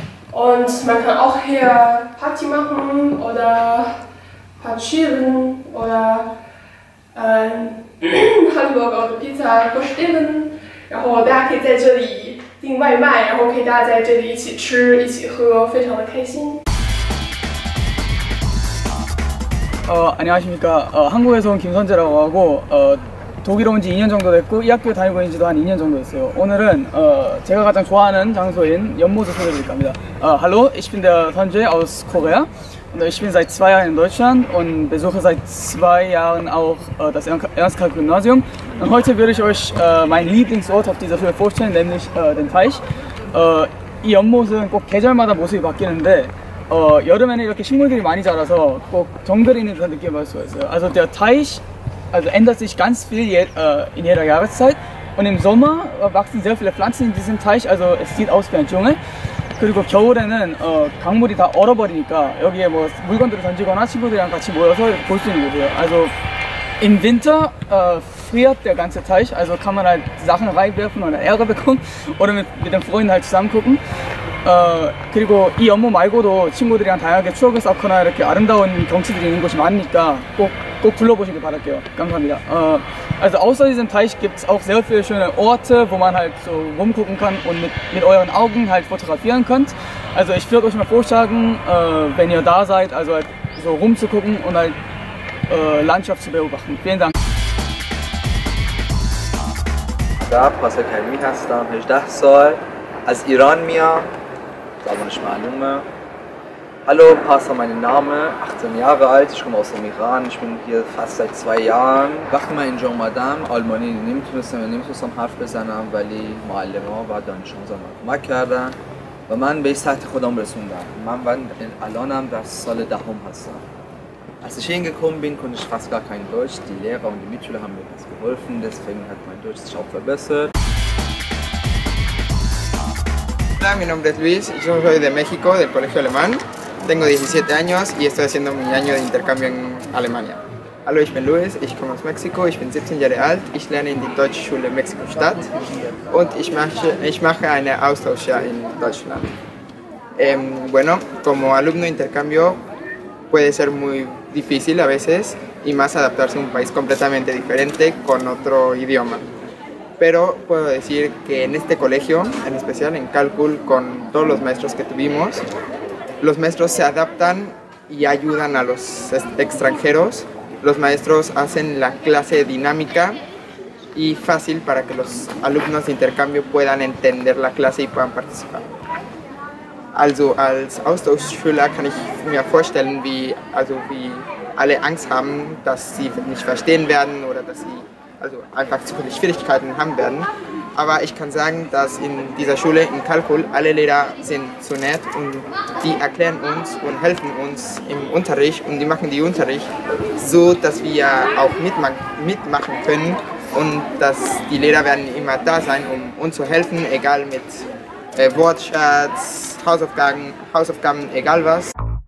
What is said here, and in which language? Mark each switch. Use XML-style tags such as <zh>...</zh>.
<de>Und man kann auch hier Party machen oder partieren oder Hamburger oder Pizza bestellen. Und man kann hier den Weimar und man kann hier zusammen essen und sehr glücklich sein.</de> <ko>안녕하십니까. 한국에서 온 김선재라고 하고 독일 온 지 2년 정도 됐고 이 학교 다니고 있는 지도 한 2년 정도 됐어요. 오늘은 제가 가장 좋아하는 장소인 연못을 소개해드릴까 합니다.</ko> <de>Hallo, ich bin der Sanjay aus Korea. Und ich bin seit 2 Jahren in Deutschland und besuche seit 2 Jahren auch das Ernst-Karl-Gymnasium. Und heute würde ich euch meinen Lieblingsort auf dieser Höhe vorstellen, nämlich den Teich.</de> <ko>Die연못은 꼭 계절마다 모습이 바뀌는데 여름에는 이렇게 식물들이 많이 자라서 꼭 정글이 있는 듯한 느낌을 받을 수가 있어요.</ko> <de>Also der Teich also ändert sich ganz viel in jeder Jahreszeit. Und im Sommer wachsen sehr viele Pflanzen in diesem Teich, also es sieht aus wie ein Dschungel.</de> <ko>그리고 겨울에는 강물이 다 얼어버리니까 여기에 뭐 물건들을 던지거나 친구들이랑 같이 모여서 볼 수 있는 곳이에요.</ko> <de>Also im Winter friert der ganze Teich, also kann man halt Sachen reinwerfen oder Ärger bekommen oder mit den Freunden halt zusammen gucken.</de> <ko>그리고 이 연못 말고도 친구들이랑 다양하게 추억을 쌓거나 이렇게 아름다운 경치들이 있는 곳이 많으니까 꼭 둘러보시길 바랄게요. 감사합니다.</ko> <de>Also außer diesem Teich gibt es auch sehr viele schöne Orte, wo man halt so rumgucken kann und mit euren Augen halt fotografieren könnt. Also ich würde euch mal vorschlagen, wenn ihr da seid, also halt so rumzugucken und halt Landschaft zu beobachten. Vielen Dank. Als Iran mir, damals mein Junge. Hallo, Pastor, mein Name, 18 Jahre alt, ich komme aus dem Iran, ich bin hier fast seit 2 Jahren. Ich bin in Jean-Madame, Almanin, ich nehme es nicht, weil ich meine Mutter dann schon so mal gemacht habe. Und man bin ich seit der Kodombe-Sundam. Als ich hingekommen bin, konnte ich fast gar kein Deutsch. Die Lehrer und die Mitschüler haben mir das geholfen, deswegen hat mein Deutsch sich auch verbessert.</de> <es>Hola, mi nombre es Luis, yo soy de México, del Colegio Alemán. Tengo 17 años y estoy haciendo mi año de intercambio en Alemania.</es> <de>Hallo, ich bin Luis, ich komme aus Mexiko, ich bin 17 Jahre alt, ich lerne in der Deutschschule Mexiko-Stadt und ich mache eine Austauschjahr in Deutschland.</de> <es>Bueno, como alumno de intercambio puede ser muy difícil a veces y más adaptarse a un país completamente diferente con otro idioma. Pero puedo decir que en este colegio, en especial en Kalkul, con todos los maestros que tuvimos, los maestros se adaptan y ayudan a los extranjeros. Los maestros hacen la clase dinámica y fácil para que los alumnos de intercambio puedan entender la clase y puedan participar.</es> <de>Also als Austauschschüler kann ich mir vorstellen, wie alle Angst haben, dass sie nicht verstehen werden oder dass sie also einfach zu viele Schwierigkeiten haben werden. Aber ich kann sagen, dass in dieser Schule, in Kalkul, alle Lehrer sind so nett und die erklären uns und helfen uns im Unterricht und die machen den Unterricht so, dass wir auch mitmachen können und dass die Lehrer werden immer da sein, um uns zu helfen, egal mit Wortschatz, Hausaufgaben, egal was.</de>